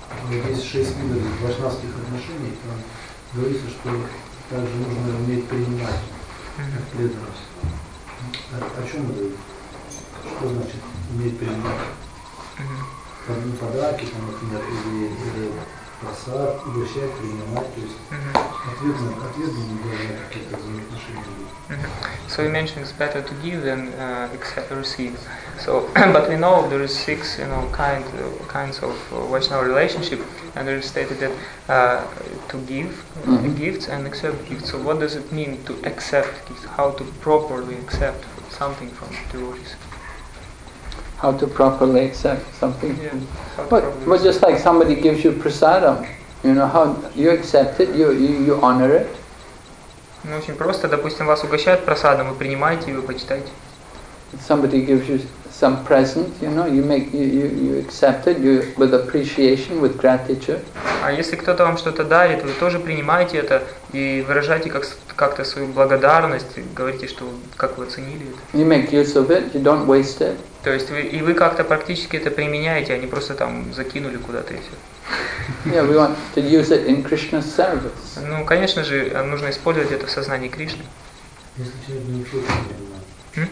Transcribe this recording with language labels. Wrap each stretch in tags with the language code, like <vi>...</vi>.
<ru>Есть шесть видов вайшнавских отношений, там говорится, что также нужно уметь принимать преданность. О чем это? Что значит уметь принимать? Там подарки, там, например, или просад, угощать, принимать. То есть ответственно должны какие-то взаимоотношения быть.</ru> <en>So you mentioned it's better to give than accept, receive. So, but we know there is six, you know, kinds of Vaishnava relationship, and it is stated that to give gifts and accept gifts. So, what does it mean to accept gifts? How to properly accept something from devotees? How to properly accept something? Yeah, but just like somebody gives you prasadam, you know, how you accept it, you honor it.</en> <ru>Ну, очень просто. Допустим, вас угощают просадом, вы принимаете его, почитаете.</ru> <en>Somebody gives you some present, you know, you accept it, you with appreciation, with gratitude.</en> <ru>А если кто-то вам что-то дарит, вы тоже принимаете это и выражаете как-то свою благодарность, говорите, что как вы оценили это.</ru> <en>You make use of it, you don't waste it.</en> <ru>То есть вы как-то практически это применяете, а не просто там закинули куда-то и все.</ru> <en>Yeah, we want to use it in Krishna's service.</en> <ru>Ну, конечно же, нужно использовать это в сознании Кришны. Если человек не хочет принимать, что</ru>